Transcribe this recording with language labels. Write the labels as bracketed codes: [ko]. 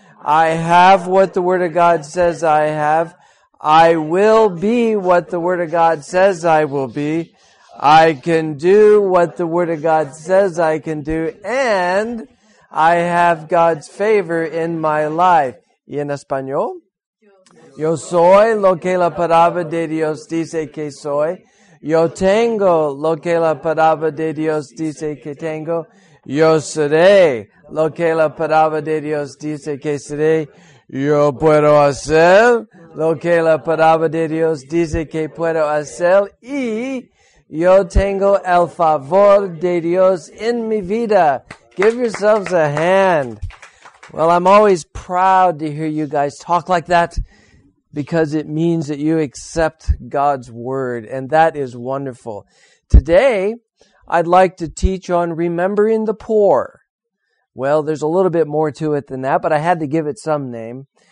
[en] I have what the Word of God says I have. I will be what the Word of God says I will be. I can do what the Word of God says I can do. And I have God's favor in my life. [es] Y en español, yo soy lo que la palabra de Dios dice que soy. Yo tengo lo que la palabra de Dios dice que tengo. Yo seré lo que la palabra de Dios dice que seré. Yo puedo hacer lo que la palabra de Dios dice que puedo hacer. Y yo tengo el favor de Dios en mi vida. [en] Give yourselves a hand. Well, I'm always proud to hear you guys talk like that because it means that you accept God's word, and that is wonderful. Today, I'd like to teach on remembering the poor. Well, there's a little bit more to it than that, but I had to give it some name.